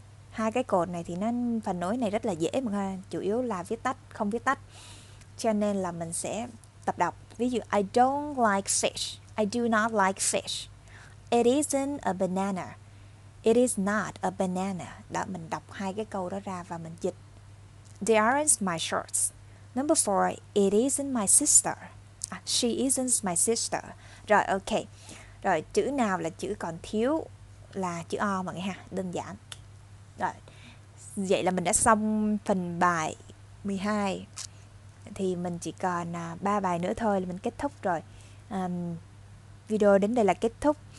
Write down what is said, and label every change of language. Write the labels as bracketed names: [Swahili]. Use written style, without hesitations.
[Vietnamese] Hai cái cột này thì nó, phần nối này rất là dễ mà, chủ yếu là viết tắt, không viết tắt. Cho nên là mình sẽ tập đọc. Ví dụ [English] I don't like fish. I do not like fish. It isn't a banana. It is not a banana. [Vietnamese] Đó, mình đọc hai cái câu đó ra và mình dịch. [English] They aren't my shorts. Number four, it isn't my sister. She isn't my sister. [Vietnamese] Rồi, [English] ok. [Vietnamese] Rồi, chữ nào là chữ còn thiếu là chữ O mọi người ha, đơn giản. Rồi, vậy là mình đã xong phần bài 12. Thì mình chỉ còn 3 bài nữa thôi là mình kết thúc rồi. Video đến đây là kết thúc.